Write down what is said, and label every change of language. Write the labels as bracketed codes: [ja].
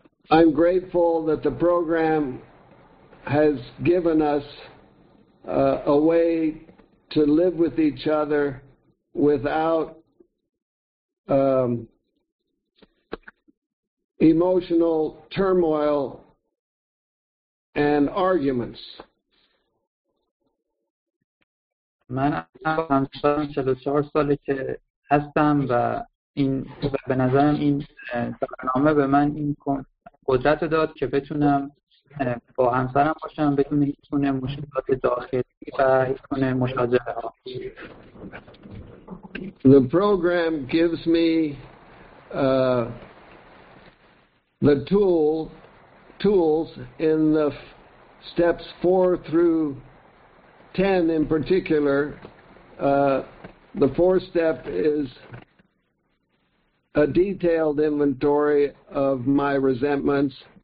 [en] I'm grateful that the program has given us a way to live with each other without emotional turmoil and arguments. [fa] من همسرم 44 ساله که هستم و این به نظرم این برنامه به من این قدرت داد که بتونم با همسرم باشم بدون هیچ گونه مشکلات داخلی و هیچ گونه مشاجره ها. [en] The program gives me the tools in the steps 4 through 10 in particular, the fourth step is a detailed inventory of my resentments.